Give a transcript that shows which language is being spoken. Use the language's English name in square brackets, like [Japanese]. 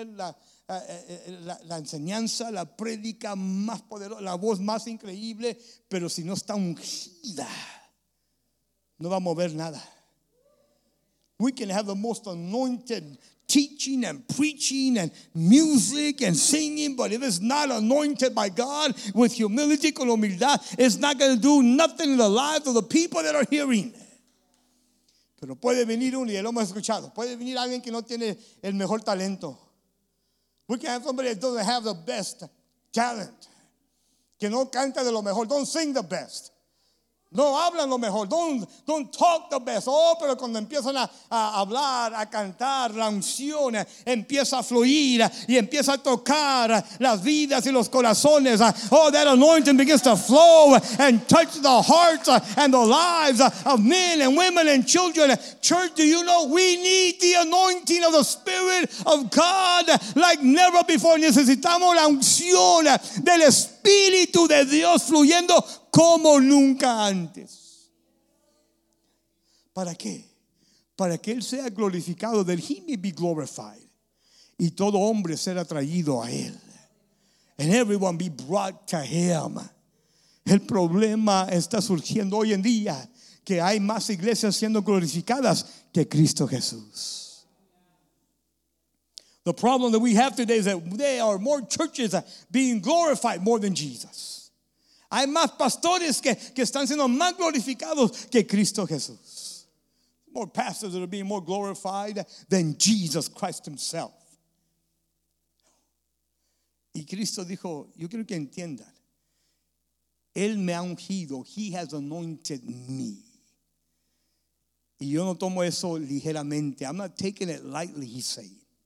[Spanish] Podemos tener la enseñanza, la prédica más poderosa, la voz más increíble, pero si no está ungida, no va a mover nada. [English] We can have the most anointed teaching and preaching and music and singing, but if it's not anointed by God with humility, [Spanish] con humildad, [English] it's not going to do nothing in the lives of the people that are hearing. [Spanish] Pero puede venir uno, y lo hemos escuchado, puede venir alguien que no tiene el mejor talento. [English] We can have somebody that doesn't have the best talent. [Spanish] Que no canta de lo mejor. [English] Don't sing the best. [Spanish] No hablan lo mejor. [English] Don't talk the best. [Spanish] Oh, pero cuando empiezan a hablar, a cantar, la unción empieza a fluir y empieza a tocar las vidas y los corazones. [English] Oh, that anointing begins to flow and touch the hearts and the lives of men and women and children. Church, do you know we need the anointing of the Spirit of God like never before? [Spanish] Necesitamos la unción del Espíritu de Dios fluyendo como nunca antes. ¿Para qué? Para que él sea glorificado. [English] That he may be glorified. [Spanish] Y todo hombre ser atraído a él. [English] And everyone be brought to him. [Spanish] El problema está surgiendo hoy en día, que hay más iglesias siendo glorificadas que Cristo Jesús. [English] The problem that we have today is that there are more churches being glorified more than Jesus. [Spanish] Hay más pastores que están siendo más glorificados que Cristo Jesús. [English] More pastors that are being more glorified than Jesus Christ himself. [Spanish] Y Cristo dijo, yo quiero que entiendan. Él me ha ungido. [English] He has anointed me. [Spanish] Y yo no tomo eso ligeramente. [English] I'm not taking it lightly, he's saying.